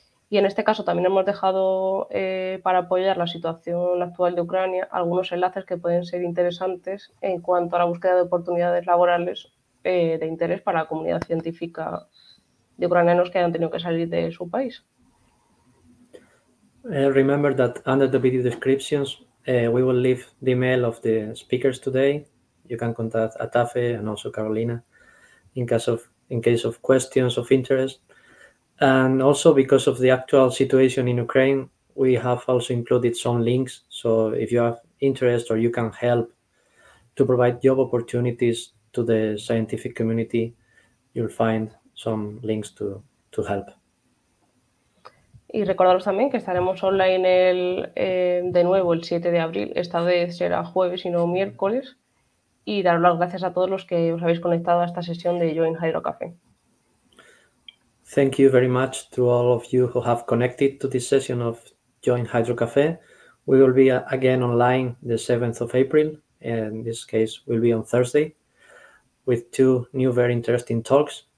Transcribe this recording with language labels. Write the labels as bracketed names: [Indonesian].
[Spanish] Y en este caso también hemos dejado para apoyar la situación actual de Ucrania algunos enlaces que pueden ser interesantes en cuanto a la búsqueda de oportunidades laborales de interés para la comunidad científica de ucranianos que han tenido que salir de su país. [English] Remember that under the video descriptions, we will leave the email of the speakers today. You can contact Atafe and also Carolina in case of questions of interest. And also because of the actual situation in Ukraine, we have also included some links. So if you have interest or you can help to provide job opportunities to the scientific community, you'll find some links to help. [Spanish] Y recordaros también que estaremos online de nuevo el 7 de abril, esta vez será jueves y no miércoles, y daros las gracias a todos los que os habéis conectado a esta sesión de Join Hydrocafe. [English] Thank you very much to all of you who have connected to this session of Join Hydrocafe. We will be again online the 7th of April, in this case will be on Thursday, with two new very interesting talks.